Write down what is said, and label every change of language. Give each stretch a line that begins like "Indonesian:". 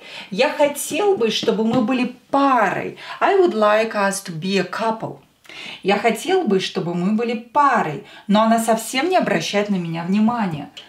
Russian: Я хотел бы, чтобы мы были парой. Я хотел бы, чтобы мы были парой.
English: I would like us to be a couple.
Russian: Я хотел бы, чтобы мы были парой, но она совсем не обращает на меня внимания.